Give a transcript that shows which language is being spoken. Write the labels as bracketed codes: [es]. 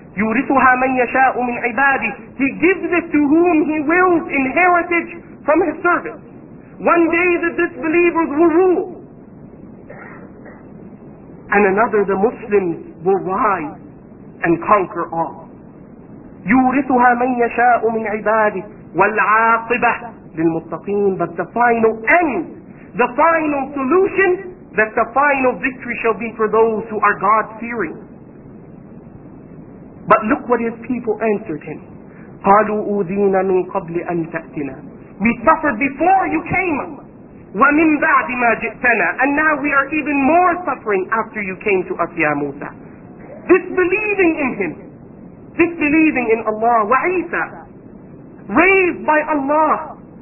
[ar] يورثها من يشاء من عباده. [en] He gives it to whom he wills in heritage from his servants. One day the disbelievers will rule, and another the Muslims will rise and conquer all. [ar] يورثها من يشاء من عباده والعاقبة للمتقين. [en] But the final end, the final solution, that the final victory shall be for those who are God-fearing. But look what his people answered him. [ar] قالوا أوذينا من قبل أن تأتنا. [en] We suffered before you came. [ar] وَمِن بَعْدِ مَا جِئْتَنَا. [en] And now we are even more suffering after you came to us, ya Musa. Disbelieving in him. Disbelieving in Allah. وَعِيسَى. Raised by Allah.